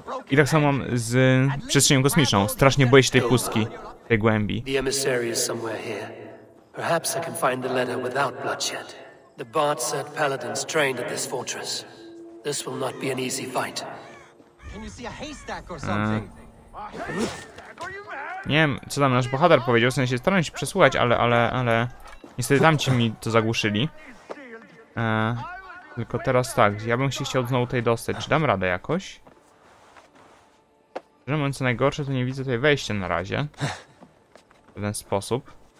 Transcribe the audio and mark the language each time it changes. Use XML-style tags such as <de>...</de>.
<pl>I tak samo mam z przestrzenią kosmiczną. Strasznie boję się tej pustki, tej głębi.</pl> <en>The emissary is somewhere here. Perhaps I can find the letter without bloodshed. The Bardset paladins trained at this fortress. This will not be an easy fight. Can you see a haystack or something?</en> <pl>Nie wiem, co tam nasz bohater powiedział, w sensie staram się przesłuchać, ale niestety tamci mi to zagłuszyli. Tylko teraz tak, ja bym się chciał znowu tutaj dostać. Czy dam radę jakoś? Że mówiąc, co najgorsze, to nie widzę tutaj wejścia na razie. W ten sposób.</pl>